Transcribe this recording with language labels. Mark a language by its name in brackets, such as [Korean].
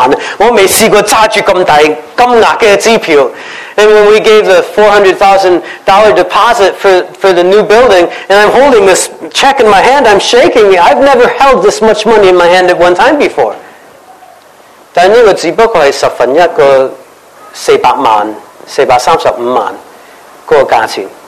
[Cantonese] 以前我未谂过呢，我哋去落订嘅时候，俾40万嘅支票个地产，我手都震啊！哇，40万，我未试过揸住咁大金额嘅支票。 [English] And when we gave the $400,000 deposit for the new building, and I'm holding this check in my hand, I'm shaking. I've never held this much money in my hand at one time before. [Cantonese] 但呢个只不过系十分一个400万、435万个价钱。